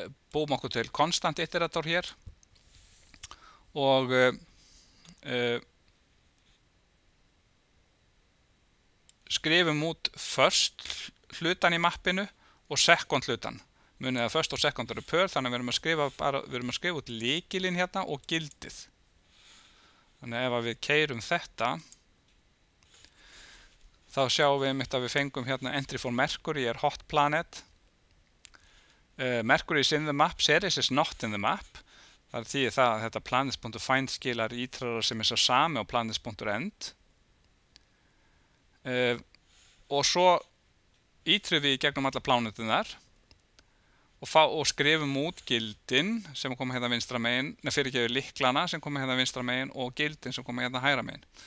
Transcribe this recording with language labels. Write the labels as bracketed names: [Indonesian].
[Icelandic] Búum okkur til konstant iterator hér og skrifum út first hlutan í mappinu og second hlutan. Munið að first og second eru pör, þannig að við erum að skrifa út lykilinn hérna og gildið. Þannig að ef við keyrum þetta þá sjáum við einmitt að við fengum hérna [English] entry for Mercury [Icelandic] er [English] hot planet. Mercury is in the map, Ceres is not in the map. [Icelandic] Það er því það að þetta planets.find skilar ítrara sem er sá sami á planets.end. Og svo ítrum við gegnum alla plánetunar og skrifum út gildin sem koma hérna vinstra megin, neða fyrirgefið lyklana sem koma hérna vinstra megin og gildin sem koma hérna hægra megin.